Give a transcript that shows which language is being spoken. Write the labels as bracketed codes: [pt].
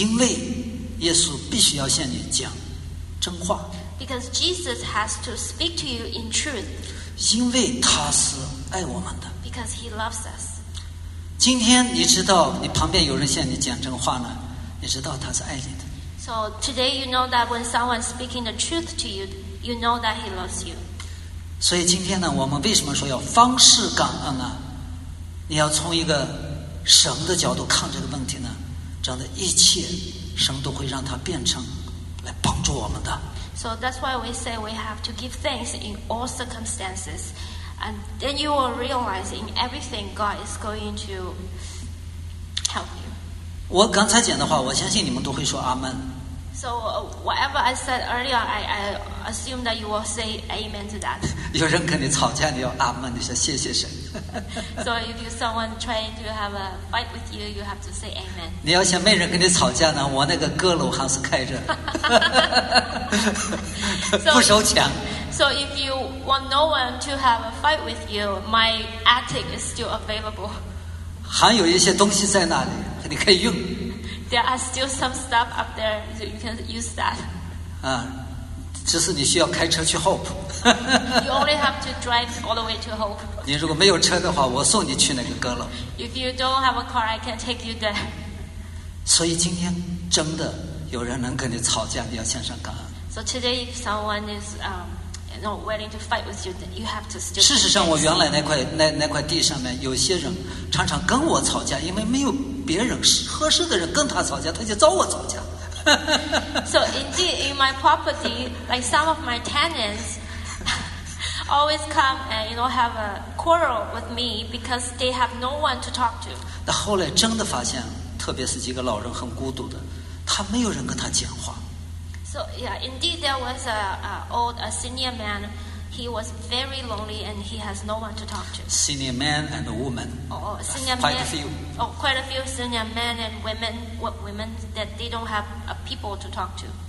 [zh] 因为耶稣必须要向你讲真话。 [en] Because Jesus has to speak to you in truth. [zh] 因为他是爱我们的。 [en] Because He loves us. [zh] 今天你知道你旁边有人向你讲真话呢，你知道他是爱你的。 [en] So today you know that when someone is speaking the truth to you, you know that He loves you. [zh] 所以今天呢，我们为什么说要方式感恩呢？你要从一个神的角度看这个问题呢，这样的一切神都会让它变成来帮助。助我们的。 [en] So that's why we say we have to give thanks in all circumstances, and then you will realize in everything God is going to help you. [zh] 我刚才讲的话，我相信你们都会说阿门。 [en] So whatever I said earlier, I assume that you will say amen to that. [zh] 有人跟你吵架，你要阿门，你说谢谢神。 [en] So if you someone trying to have a fight with you, you have to say amen. [zh] 你要想没人跟你吵架呢，我那个阁楼还是开着， so, 不收钱。 [en] So if you want no one to have a fight with you, my attic is still available. [zh] 还有一些东西在那里，你可以用。 [en] There are still some stuff up there, so you can use that. [zh] 只是你需要开车去 Hope. [en] You only have to drive all the way to Hope. [zh] 你如果没有车的话，我送你去那个阁楼。 [en] If you don't have a car, I can take you there. [zh] 所以今天真的有人能跟你吵架，你要向上感恩。 [en] So today, if someone is not willing to fight with you, then you have to still. [zh] 事实上，我原来那块地上面有些人常常跟我吵架，因为没有别人合适的人跟他吵架，他就找我吵架。 [en] So indeed, in my property, like some of my tenants always come and you know have a quarrel with me because they have no one to talk to. [zh] 那后来真的发现，特别是几个老人很孤独的，他没有人跟他讲话。 [en] So yeah, indeed, there was a senior man. He was very lonely and he has no one to talk to. Senior man and a woman. Quite a few senior men and women that they don't have a people to talk to.